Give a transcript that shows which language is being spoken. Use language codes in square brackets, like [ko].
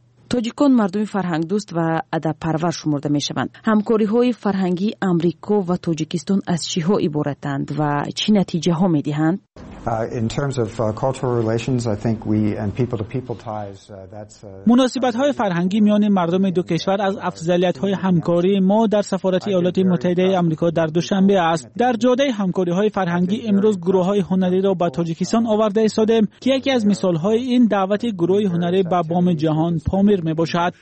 [fa] تاجیکان مردمی فرهنگ دوست و ادب پرور شمرده می شوند. همکاری های فرهنگی آمریکا و تاجیکستان از چی ها عبارتند و چی نتیجه ها می دهند؟ [en] In terms of cultural relations, I think we and people-to-people ties. That's. [fa] مناسبت‌های فرهنگی میان مردم دو کشور از افضلیت‌های همکاری ما در سفارت ایالات متحده آمریکا در دوشنبه است. در جاده همکاری‌های فرهنگی امروز گروه‌های هنری را به تاجیکستان آورده ایستادیم که یکی از مثال‌های این دعوت گروه هنری به بام جهان پامیر میباشد.